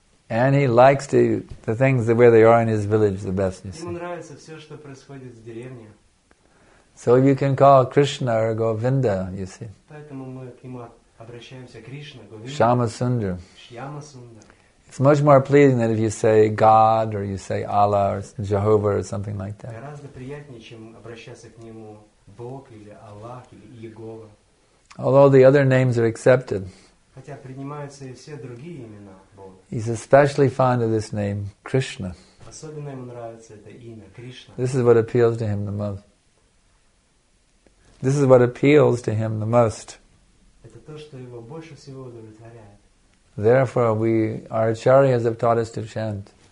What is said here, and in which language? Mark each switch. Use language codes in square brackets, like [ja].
[en] And he likes the things the way they are in his village the best, you see. So you can call Krishna or Govinda, you see. [ru] Поэтому мы к нему обращаемся, Кришна, Говинда. [en] Shyama Sundar. Shyama Sundar. It's much more pleasing than if you say God or you say Allah or Jehovah or something like that. [ru] Гораздо приятнее, чем обращаться к нему Бог или Аллах или Иегова. [en] Although the other names are accepted. [ru] Хотя принимаются и все другие имена Бога. [en] He's especially fond of this name, Krishna. [ru] Особенно ему нравится это имя Кришна. [en] This is what appeals to him the most. This is what appeals to him the most. [ru] Это то, что его больше всего удовлетворяет. [en] Therefore, we our acharyas have taught us to chant.